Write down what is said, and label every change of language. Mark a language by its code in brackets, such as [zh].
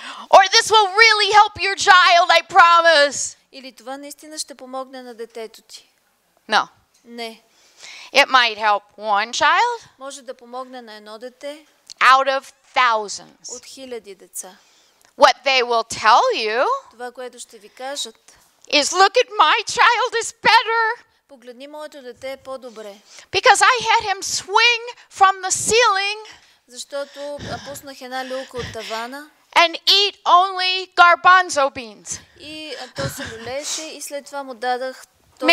[en] Or this will really help your child, I promise. [bg] Или това наистина ще помогне на детето ти? [en] No. [bg] Не. [en] It might help one child. [bg] Може да помогне на едно дете. [en] Out of thousands. [bg] От хиляди деца. [en] What they will tell you. [bg] Това, което ще ви кажат. [en] Is look at my child is better. [bg] Погледни моето дете е по-добре. [en] Because I had him swing from the ceiling. [bg] Защото пуснах една люлка от тавана. [en] And eat only garbanzo beans. [bg] И то се люлеше и след това му дадах този.